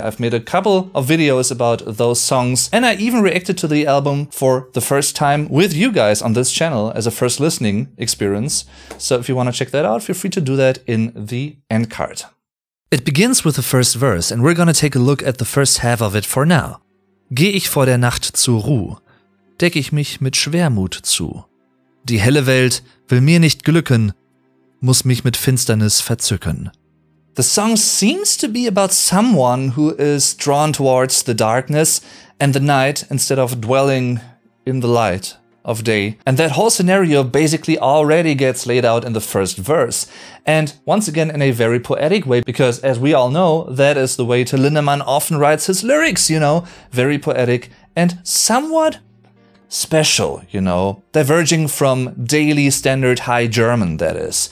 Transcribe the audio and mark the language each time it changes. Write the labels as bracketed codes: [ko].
[en] I've made a couple of videos about those songs, and I even reacted to the album for the first time with you guys on this channel as a first listening experience. So if you want to check that out, feel free to do that in the end card. It begins with the first verse, and we're going to take a look at the first half of it for now. [de] Geh ich vor der Nacht zur Ruhe. Deck ich mich mit Schwermut zu. Die helle Welt will mir nicht glücken, muss mich mit Finsternis verzücken. [en] The song seems to be about someone who is drawn towards the darkness and the night instead of dwelling in the light of day. And that whole scenario basically already gets laid out in the first verse. And once again in a very poetic way, because as we all know, that is the way Till Lindemann often writes his lyrics, you know, very poetic and somewhat special, you know, diverging from daily standard high German, that is.